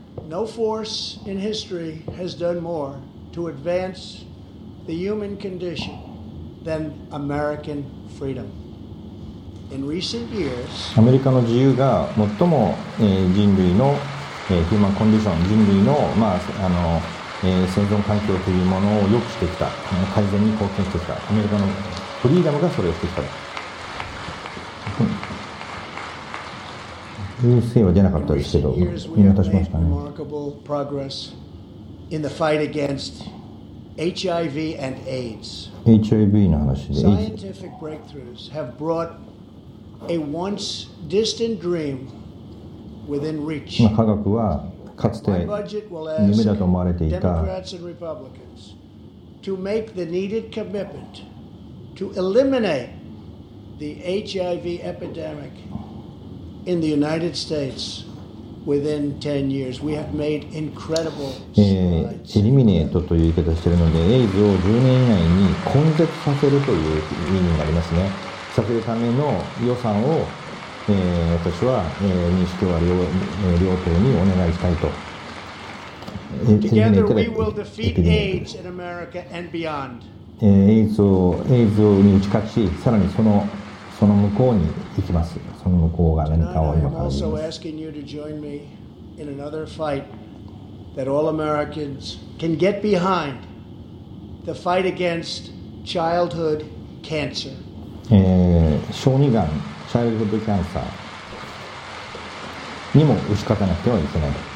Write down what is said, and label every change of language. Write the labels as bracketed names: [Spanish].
[English] No force in history has done more to advance the human condition than American freedom. In recent years, [Japanese] アメリカの自由が最も人類のヒューマンコンディション、人類の、まあ、あの生存環境というものを良くしてきた、改善に貢献してきた。アメリカのフリーダムがそれをしてきた。優勢は出なかったですけど、見渡しましたね。 [English] Remarkable progress in the fight against HIV and AIDS. [Japanese] HIV の話で。 [English] Scientific breakthroughs have brought a once distant dream within reach. [Japanese] 科学はかつて夢だと思われていた。 [English] Democrats and Republicans to make the needed commitment to eliminate the HIV epidemic. In the United States, within 10 years, we have made incredible strides. [Japanese] Eliminate という言い方をしているので、エイズを10年以内に根絶させるという意味になりますね。させるための予算を、私は、民主共和両党にお願いしたいと。 [English] Together, we will defeat AIDS in America and beyond. [Japanese] エイズに打ち勝ち、さらにその向こうに行きます。その向こうが何かを今感じます。 [English] I'm also asking you to join me in another fight that all Americans can get behind: the fight against childhood cancer. [Japanese] 小児がん、 [English] childhood cancer [Japanese] にも打ち勝たなくてはいけない。